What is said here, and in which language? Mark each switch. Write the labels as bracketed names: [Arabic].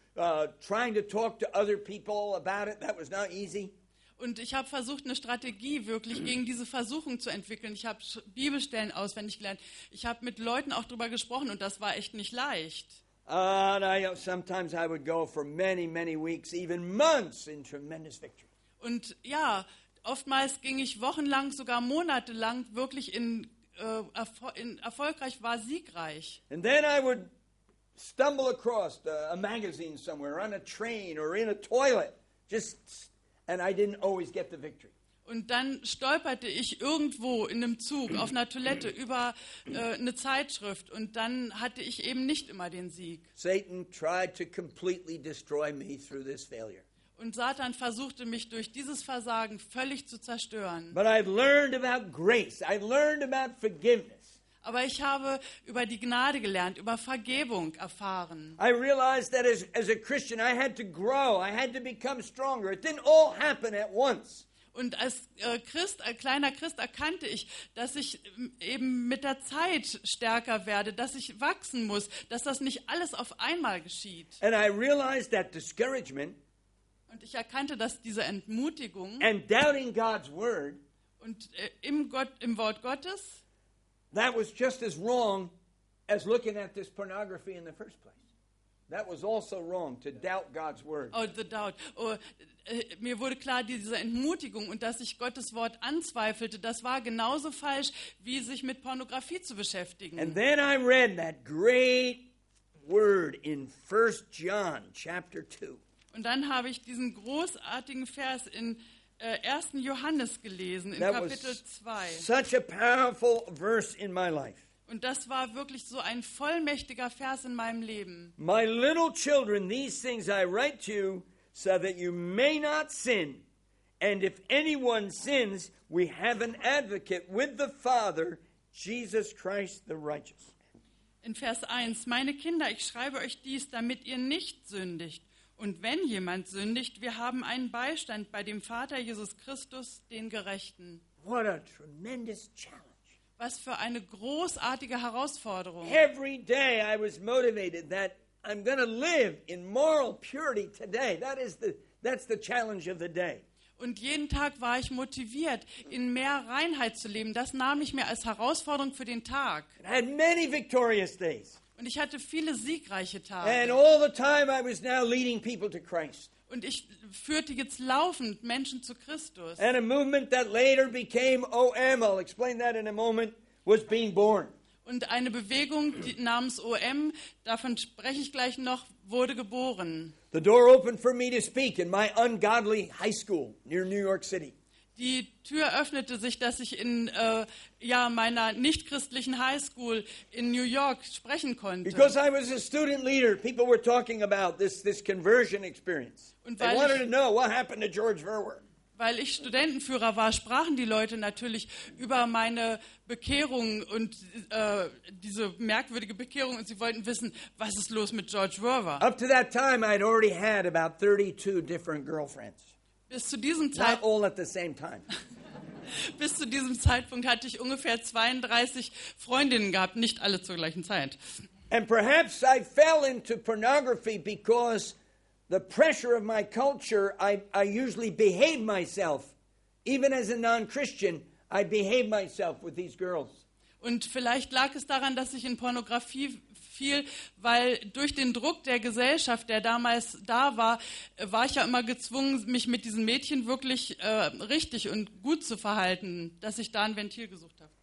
[English] Trying to talk to other people about it, that was not easy. [German] Und ich habe versucht, eine Strategie wirklich gegen diese Versuchung zu entwickeln. Ich habe Bibelstellen auswendig gelernt. Ich habe mit Leuten auch drüber gesprochen und das war echt nicht leicht. [English] Sometimes I would go for many, many weeks, even months in tremendous victory. [German] Und ja, oftmals ging ich wochenlang, sogar monatelang wirklich in erfolgreich war, siegreich. [English] And then I would stumble across a magazine somewhere on a train or in a toilet and I didn't always get the victory. [German] Und dann stolperte ich irgendwo in einem Zug auf einer Toilette über eine Zeitschrift und dann hatte ich eben nicht immer den Sieg. [English] Satan tried to completely destroy me through this failure. [German] Und Satan versuchte mich durch dieses Versagen völlig zu zerstören. [English] But I've learned about grace. I've learned about forgiveness. [German] Aber ich habe über die Gnade gelernt, über Vergebung erfahren. [English] I realized that as a Christian I had to grow, I had to become stronger. It didn't all happen at once. [German] Und als Christ, als kleiner Christ, erkannte ich, dass ich eben mit der Zeit stärker werde, dass ich wachsen muss, dass das nicht alles auf einmal geschieht. [English] And I realized that discouragement. [German] Und ich erkannte, dass diese Entmutigung [English] and doubting God's word [German] und im Wort Gottes. [English] That was just as wrong as looking at this pornography in the first place. That was also wrong to doubt God's word. Oh, the doubt. [German] Oh, mir wurde klar, diese Entmutigung und dass ich Gottes Wort anzweifelte, das war genauso falsch, wie sich mit Pornografie zu beschäftigen. [English] And then I read that great word in 1 John chapter 2. [German] Und dann habe ich diesen großartigen Vers in 1. Johannes gelesen in Kapitel 2. [English] Such a powerful verse in my life. [German] Und das war wirklich so ein vollmächtiger Vers in meinem Leben. [English] My little children, these things I write to you so that you may not sin. And if anyone sins, we have an advocate with the Father, Jesus Christ the righteous. [German] In Vers 1, meine Kinder, ich schreibe euch dies, damit ihr nicht sündigt. Und wenn jemand sündigt, wir haben einen Beistand bei dem Vater Jesus Christus, den Gerechten. [English] What a tremendous challenge. [German] Was für eine großartige Herausforderung. [English] Every day I was motivated that I'm going to live in moral purity today. That's the challenge of the day. [German] Und jeden Tag war ich motiviert, in mehr Reinheit zu leben. Das nahm ich mir als Herausforderung für den Tag. [English] And I had many victorious days. [German] Und ich hatte viele siegreiche Tage. [English] And all the time I was now leading people to Christ. [German] Und ich führte jetzt laufend Menschen zu Christus. [English] And a movement that later became OM, I'll explain that in a moment, was being born. [German] Und eine Bewegung namens OM, davon spreche ich gleich noch, wurde geboren. [English] The door opened for me to speak in my ungodly high school near New York City. [German] Die Tür öffnete sich, dass ich in meiner nichtchristlichen High School in New York sprechen konnte. [English] Because I was a student leader, people were talking about this conversion experience. [German] Und [English] they wanted to know what happened to George Verwer. [German] Weil ich Studentenführer war, sprachen die Leute natürlich über meine Bekehrung und diese merkwürdige Bekehrung und sie wollten wissen, was ist los mit George Verwer. [English] Up to that time I had already had about 32 different girlfriends. [German] Bis zu diesem Zeitpunkt, [English] not all at the same time. [German] Bis zu diesem Zeitpunkt hatte ich ungefähr 32 Freundinnen gehabt, nicht alle zur gleichen Zeit. [English] And perhaps I fell into pornography because the pressure of my culture, I usually behave myself, even as a non-Christian, I behave myself with these girls. [German] Und vielleicht lag es daran, dass ich in Pornografie fiel, weil durch den Druck der Gesellschaft, der damals da war, war ich ja immer gezwungen, mich mit diesen Mädchen wirklich richtig und gut zu verhalten, dass ich da ein Ventil gesucht habe.